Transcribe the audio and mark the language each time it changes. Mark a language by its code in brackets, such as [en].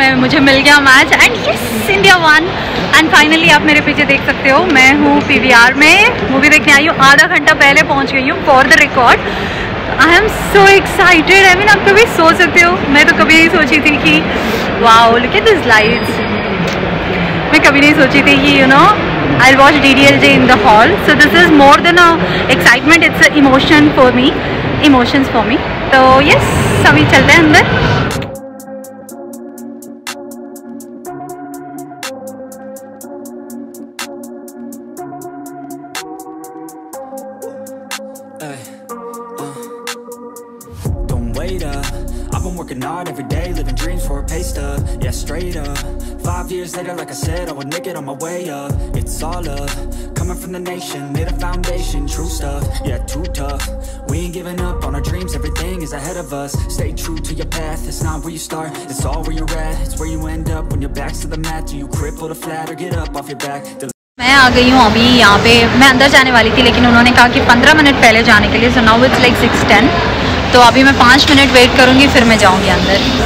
[hi] मैं मुझे मिल गया match [en] And yes India won. And finally [hi] आप मेरे पीछे देख सकते हो, मैं हूँ PVR में मूवी देखने आई हूँ। आधा घंटा पहले पहुँच गई हूँ [en] For the record. I am so excited. [hi] I mean आप कभी सोच सकते हो, मैं तो कभी नहीं सोची थी कि [en] Wow look at this lights. [hi] मैं कभी नहीं सोची थी कि [en] You know I'll watch DDLJ in the hall. So this is more than a excitement, it's a emotion for me, emotions for me. So yes, [hi] abhi chalte hain andar. [en] Don't wait up, I've been working hard every day, living dreams for a pay stub. Yeah, straight up. 5 years later, like I said, I would make it on my way up. It's all up, coming from the nation, made a foundation, true stuff, yeah, too tough. We ain't giving up on our dreams, everything is ahead of us. Stay true to your path, it's not where you start, it's all where you're at. It's where you end up when your back's to the mat. Do you crippled or flat or get up off your back? [hi] मैं आ गई हूँ अभी यहाँ पे। मैं अंदर जाने वाली थी लेकिन उन्होंने कहा कि 15 minutes पहले जाने के लिए, [en] so now it's like 6:10. [hi] तो अभी मैं 5 minutes wait करूँगी फिर मैं जाऊँगी अंदर।